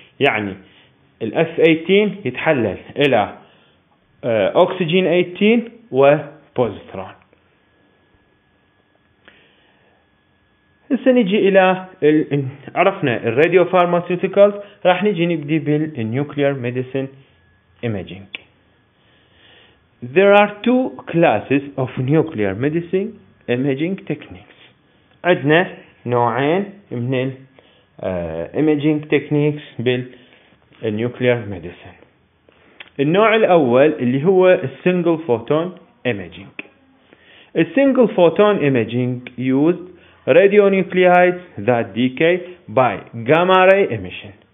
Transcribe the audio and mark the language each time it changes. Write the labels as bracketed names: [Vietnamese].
[Arabic] يعني الاف 18 يتحلل الى اوكسجين 18 وبوزيترون. هسه نجي الى عرفنا الراديو فارماسيوتيكال, راح نجي نبدي بالنيوكليير ميديسين ايميجينج. [English] There are two classes of nuclear medicine imaging techniques. [Arabic] عندنا نوعين من الايميجينج تكنيكس بالنيوكليير ميديسين. النوع الاول اللي هو السنجل فوتون ايميجينج. السنجل فوتون ايميجينج [English] used radionuclides that decay by gamma ray emission.